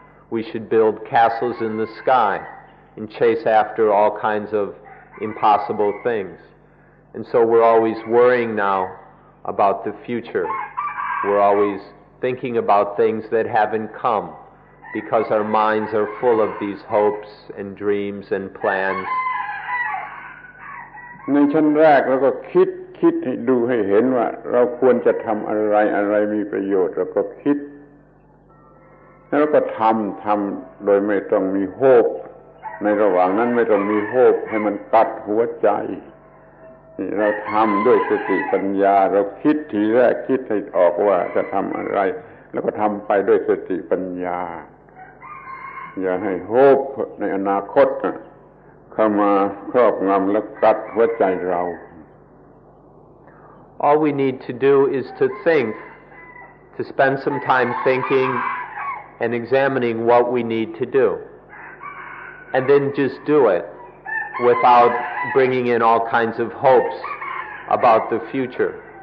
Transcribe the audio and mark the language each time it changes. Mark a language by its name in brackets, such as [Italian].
[English] We should build castles in the sky and chase after all kinds of impossible things. And so we're always worrying now about the future. We're always thinking about things that haven't come because our minds are full of these hopes and dreams and plans. [Thai] ในชั้นแรกเราก็คิดให้ดูให้เห็นว่าเราควรจะทำอะไรมีประโยชน์เราก็คิด แล้วก็ทำโดยไม่ต้องมีโฮปในระหว่างนั้นไม่ต้องมีโฮปให้มันกัดหัวใจเราทำด้วยสติปัญญาเราคิดทีแรกคิดให้ออกว่าจะทำอะไรแล้วก็ทำไปด้วยสติปัญญาอย่าให้โฮปในอนาคตเข้ามาครอบงำและกัดหัวใจเรา [English] All we need to do is to think, to spend some time thinking and examining what we need to do. And then just do it without bringing in all kinds of hopes about the future.